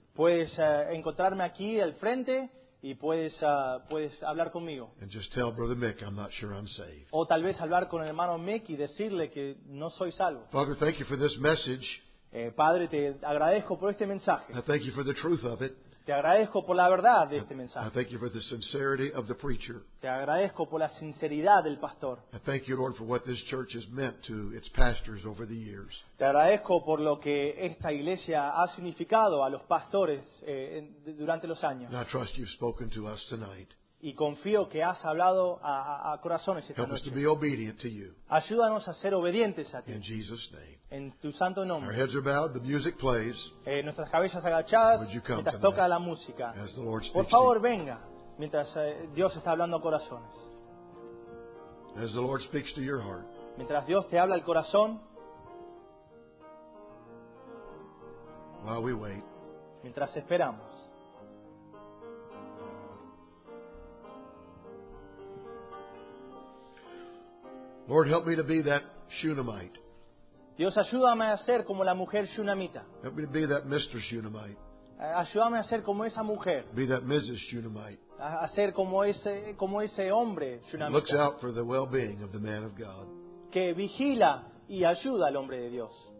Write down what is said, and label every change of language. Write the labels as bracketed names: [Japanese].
[Spanish] Puedes encontrarme aquí al frente y puedes hablar conmigo. [English] And just tell Brother Mick I'm not sure I'm saved. [Spanish] O tal vez hablar con el hermano Mick y decirle que no soy salvo. [English] Father, thank you for this message. [Spanish] Padre, te agradezco por este mensaje. [English] I thank you for the truth of it. [Spanish] Te agradezco por la verdad de este mensaje. [English] I thank you for the sincerity of the preacher. [Spanish] Te agradezco por la sinceridad del pastor. [English] I thank you, Lord, for what this church has meant to its pastors over the years. [Spanish] Te agradezco por lo que esta iglesia ha significado a los pastores durante los años. [English] And I trust you've spoken to us tonight. [Spanish] Y confío que has hablado a corazones esta noche. [English] Help us to be obedient to you. [Spanish] Ayúdanos a ser obedientes a ti. [English] In Jesus' name. [Spanish] En tu santo nombre. [English] Our heads are bowed, the music plays. [Spanish] Nuestras cabezas agachadas mientras toca la música. [English] As the Lord speaks. [Spanish] Por favor, venga mientras Dios está hablando a corazones. [English] As the Lord speaks to your heart. [Spanish] Mientras Dios te habla al corazón. [English] While we wait. [Spanish] Mientras esperamos. [English] Lord, help me to be that Shunammite. [Spanish] Dios, ayúdame a ser como la mujer Shunamita. [English] Help me to be that Mr. Shunammite. [Spanish] Ayúdame a ser como esa mujer. [English] Be that Mrs. Shunammite. [Spanish] A ser como ese hombre Shunamita. [English] Looks out for the well-being of the man of God. [Spanish] Que vigila y ayuda al hombre de Dios.